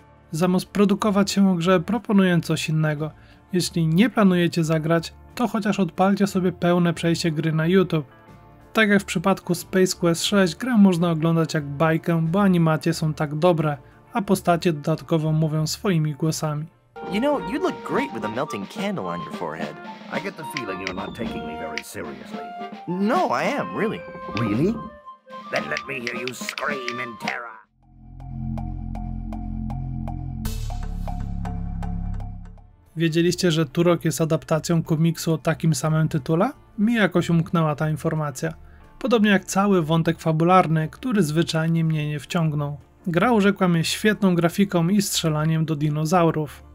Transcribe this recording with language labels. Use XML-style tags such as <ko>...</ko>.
<pl>Zamiast produkować się o grze, proponuję coś innego. Jeśli nie planujecie zagrać, to chociaż odpalcie sobie pełne przejście gry na YouTube. Tak jak w przypadku Space Quest 6, grę można oglądać jak bajkę, bo animacje są tak dobre, a postacie dodatkowo mówią swoimi głosami.</pl> <en>You know, you'd look great with a melting candle on your forehead. I get the feeling you're not taking me very seriously. No, I am, really. Really? Then let me hear you scream in terror.</en> <pl>Wiedzieliście, że Turok jest adaptacją komiksu o takim samym tytule? Mi jakoś umknęła ta informacja. Podobnie jak cały wątek fabularny, który zwyczajnie mnie nie wciągnął. Gra urzekła mnie świetną grafiką i strzelaniem do dinozaurów.</pl>